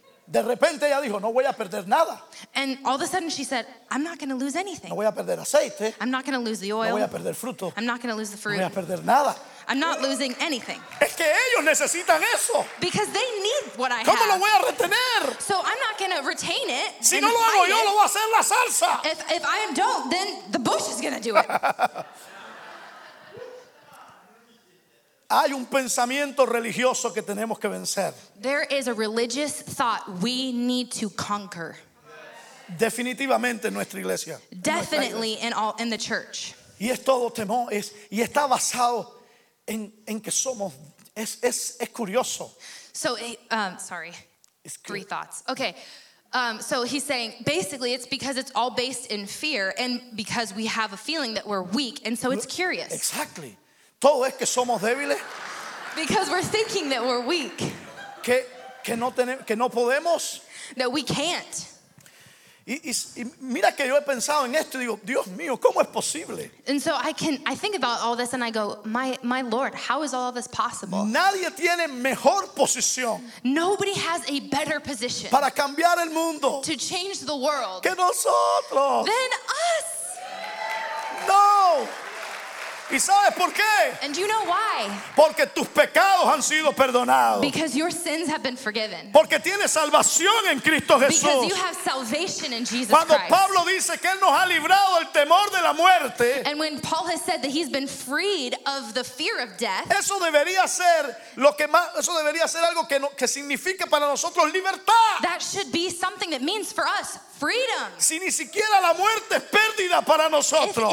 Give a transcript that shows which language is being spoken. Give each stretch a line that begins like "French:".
Spanish: De repente ella dijo, no voy a perder nada.
English: And all of a sudden she said, I'm not going to lose anything.
Spanish: No voy a perder aceite.
English: I'm not going to lose the oil.
Spanish: No voy a perder fruto.
English: I'm not going to lose the fruit.
Spanish: No voy a perder nada.
English: I'm not losing anything.
Spanish: Es que ellos necesitan eso.
English: Because they need what I
Spanish: ¿Cómo
English: have.
Spanish: Lo voy a retener?
English: So I'm not going to retain it.
Spanish: Si no lo hago yo, lo va a hacer la salsa.
English: If I don't, then the bush is going to do it.
Spanish: Hay un pensamiento religioso que tenemos que vencer.
English: There is a religious thought we need to conquer.
Spanish: Definitivamente en nuestra iglesia.
English: Definitely in the church.
Spanish: Y es todo temor, y está basado en que somos es curioso.
English: So sorry, it's three thoughts. Okay, so he's saying basically it's because it's all based in fear and because we have a feeling that we're weak and so it's curious. Exactly,
Spanish: todo es que somos débiles.
English: Because we're thinking that we're weak.
Spanish: Que no podemos.
English: That we can't.
Spanish: Y mira que yo he pensado en esto y digo, Dios mío, ¿cómo es posible?
English: And so I think about all this and I go, my Lord, how is all of this possible?
Spanish: Nadie tiene mejor posición.
English: Nobody has a better position.
Spanish: Para cambiar el mundo.
English: To change the world.
Spanish: Que nosotros.
English: Than us.
Spanish: No. ¿Y sabes por qué?
English: And do you know why?
Spanish: Porque tus pecados han sido perdonados.
English: Because your sins have been forgiven.
Spanish: Porque tienes salvación en Cristo Jesús.
English: Because you have salvation in Jesus
Spanish: Cuando
English: Christ.
Spanish: Pablo dice que él nos ha librado del temor de la muerte.
English: And when Paul has said that he's been freed of the fear of death.
Spanish: Eso debería ser lo que más, eso debería ser algo que no, que significa para nosotros libertad.
English: That should be something that means for us freedom.
Spanish: Si ni siquiera la muerte es pérdida para nosotros.